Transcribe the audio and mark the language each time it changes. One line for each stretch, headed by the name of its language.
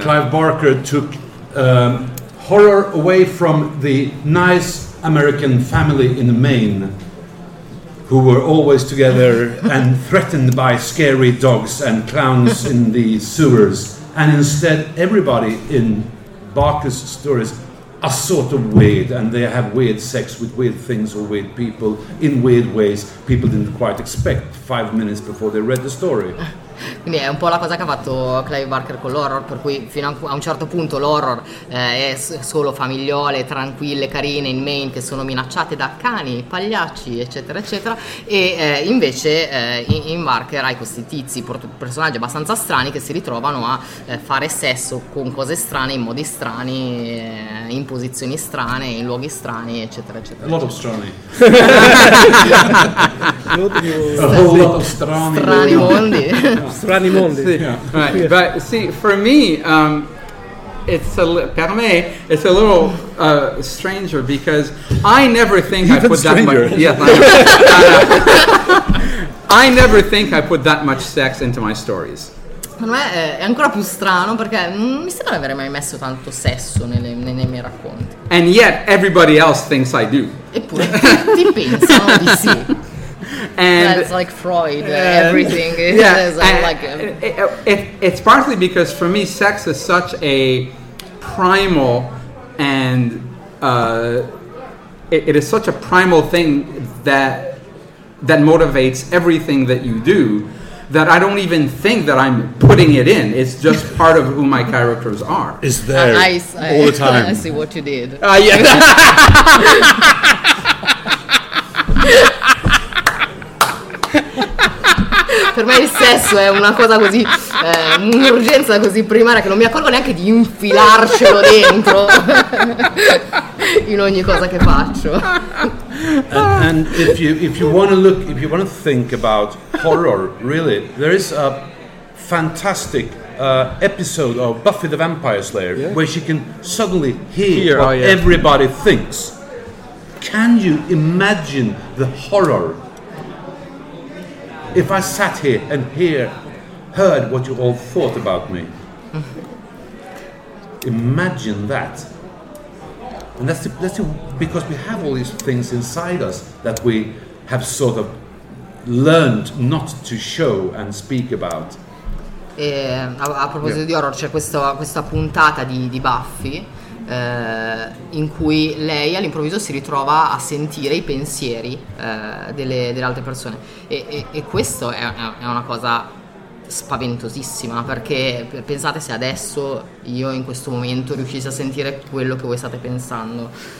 English: Clive Barker took horror away from the nice American family in Maine, who were always together and threatened by scary dogs and clowns in the sewers. And instead, everybody in Barker's stories are sort of weird, and they have weird sex with weird things or weird people in weird ways people didn't quite expect 5 minutes before they read the story.
Italian: Quindi è un po' la cosa che ha fatto Clive Barker con l'horror, per cui fino a un certo punto l'horror è solo famigliole, tranquille, carine in Maine che sono minacciate da cani, pagliacci, eccetera, eccetera, e invece in Barker hai questi tizi, personaggi abbastanza strani che si ritrovano a fare sesso con cose strane, in modi strani, in posizioni strane, in luoghi strani, eccetera, eccetera.
English: A lot of strani. A whole lot of strani.
Italian: Strani mondi. Strani mondi.
English: See, yeah. Right, yeah. But see, for me, it's a little stranger because I never think even I put stranger. That much. Yeah, I never think I put that much sex into my stories.
Italian: Secondo me è ancora più strano perché non mi sembra di aver mai messo tanto sesso nei miei racconti.
English: And yet everybody else thinks I do.
Italian: Eppure tutti pensano di sì.
English: And that's like Freud, everything is, yeah, is like it's partly because for me sex is such a primal and it is such a primal thing that motivates everything that you do that I don't even think that I'm putting it in. It's just part of who my characters are. Is there all the time. I see what you did. Yeah.
Italian: Per me il sesso è una cosa così, un'urgenza così primaria che non mi accorgo neanche di infilarcelo dentro in ogni cosa che faccio.
English: And if you want to look, if you want to think about horror, really, there is a fantastic episode of Buffy the Vampire Slayer, yeah, where she can suddenly hear what everybody thinks. Can you imagine the horror if I sat here and heard what you all thought about me? Imagine that. And that's because we have all these things inside us that we have sort of learned not to show and speak about.
Italian: E a proposito, yeah, di horror, c'è questa puntata di Buffy in cui lei all'improvviso si ritrova a sentire i pensieri delle altre persone e questo è una cosa spaventosissima, perché pensate se adesso io in questo momento riuscissi a sentire quello che voi state pensando.